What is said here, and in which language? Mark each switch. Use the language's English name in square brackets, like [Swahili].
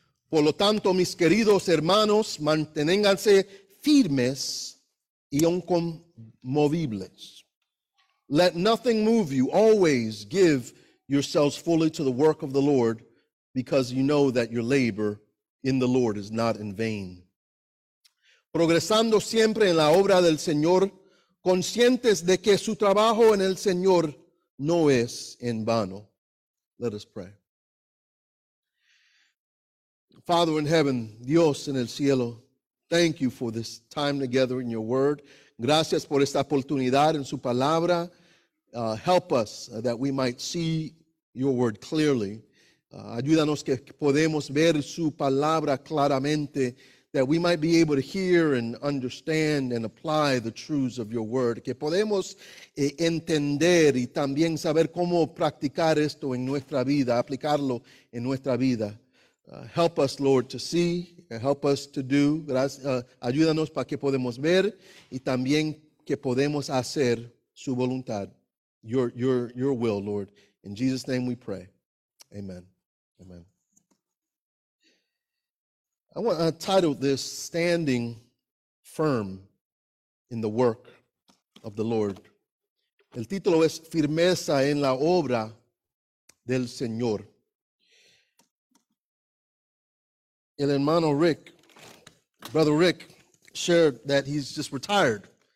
[Spanish] Por lo tanto, mis queridos hermanos, manténganse firmes y inconmovibles. [English] Let nothing move you. Always give yourselves fully to the work of the Lord, because you know that your labor in the Lord is not in vain. [Spanish] Progresando siempre en la obra del Señor, conscientes de que su trabajo en el Señor no es en vano. [English] Let us pray. Father in heaven, [Spanish] Dios en el cielo, [English] thank you for this time together in your word. [Spanish] Gracias por esta oportunidad en su palabra. [English] Help us that we might see your word clearly. [Spanish] Ayúdanos que podemos ver su palabra claramente, [English] that we might be able to hear and understand and apply the truths of your word. [Spanish] Que podemos entender y también saber cómo practicar esto en nuestra vida, aplicarlo en nuestra vida. [English] Help us, Lord, to see and help us to do. [Spanish] Ayúdanos para que podemos ver y también que podemos hacer su voluntad, [English] your will, Lord. In Jesus' name we pray. Amen. Amen. I want to title this, Standing Firm in the Work of the Lord. [Spanish] El título es Firmeza en la Obra del Señor. El hermano Rick, [English] Brother Rick, shared that he's just retired.